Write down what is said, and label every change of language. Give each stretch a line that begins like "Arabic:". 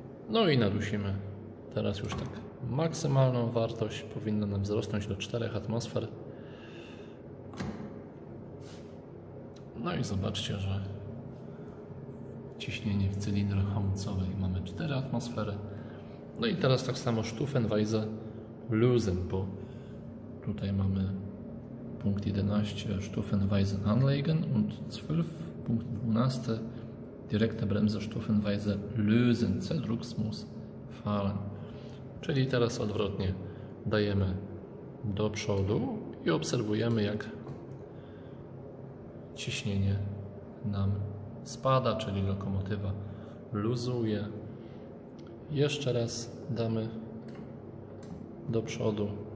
Polish: No i nadusimy teraz już tak maksymalną wartość. Powinna nam wzrosnąć do 4 atmosfer. No i zobaczcie, że ciśnienie w cylindrze hamulcowej. Mamy 4 atmosfery. No i teraz tak samo Stufenweise lösen, bo tutaj mamy punkt 11,
German: Stufenweise anlegen und 12, punkt 12, direkte bremse Stufenweise lösen, C-druck muss fallen.
Polish: Czyli teraz odwrotnie dajemy do przodu i obserwujemy, jak ciśnienie nam spada, czyli lokomotywa luzuje. Jeszcze raz damy do przodu.